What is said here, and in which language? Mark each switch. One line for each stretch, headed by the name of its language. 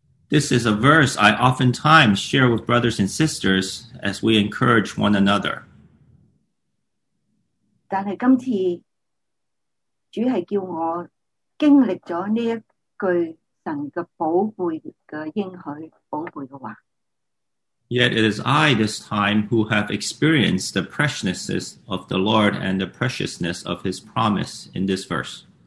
English: This is a verse I oftentimes share with brothers and sisters as we encourage one another.
Chinese: 但是今次主是叫我经历了这一句神的宝贝的应许，宝贝的话。
English: Yet it is I this time who have experienced the preciousness of the Lord and the preciousness of His promise in this verse.